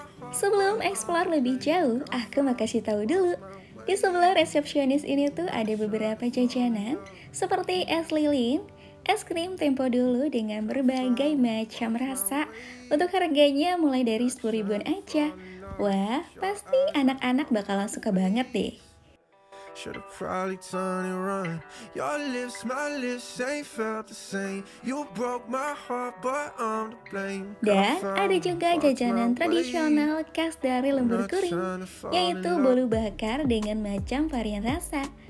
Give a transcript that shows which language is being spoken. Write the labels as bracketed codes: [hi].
[id] Sebelum explore lebih jauh, aku mau kasih tahu dulu. Di sebelah resepsionis ini tuh ada beberapa jajanan seperti es lilin, es krim tempo dulu dengan berbagai macam rasa. Untuk harganya mulai dari 10.000 aja. Wah, pasti anak-anak bakalan suka banget deh. [en] Should have probably turned and run. Your lips, my lips, ain't felt the same. You broke my heart, but I'm to blame. [id] Dan ada juga jajanan tradisional khas dari Lembur Kuring, yaitu bolu bakar dengan macam varian rasa.